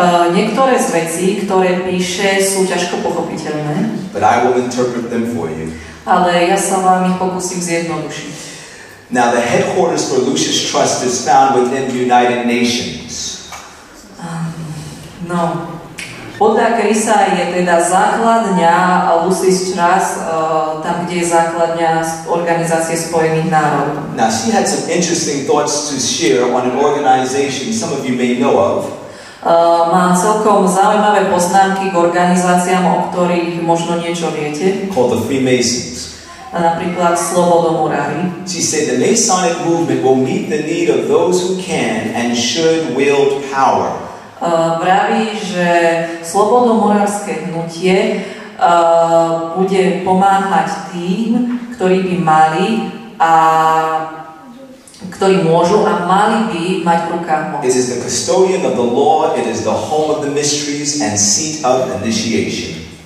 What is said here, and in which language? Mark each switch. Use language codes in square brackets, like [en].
[sk] Niektoré z vecí, ktoré píše, sú ťažko pochopiteľné. [en] But I will interpret them for you. [sk] Ale ja sa vám ich pokúsim zjednodušiť. [en] Now the headquarters for Lucius Trust is found within the United Nations. [sk] No. Podľa Krisa je teda základňa Lucius Trust tam, kde je základňa Organizácie spojených národov. [en] Now she had some interesting thoughts to share on an organization some of you may know of. [sk] Má celkom zaujímavé poznámky k organizáciám, o ktorých možno niečo viete. [en] Called the Freemasons. [sk] Napríklad Slobodomurári. [en] She said the Masonic movement will meet the need of those who can and should wield power. [sk] Vraví, že Slobodomurárske hnutie bude pomáhať tým, ktorí by mali a ktorí môžu a mali by mať v rukách moc. [en] It is the custodian of the law, it is the home of the mysteries and seat of initiation.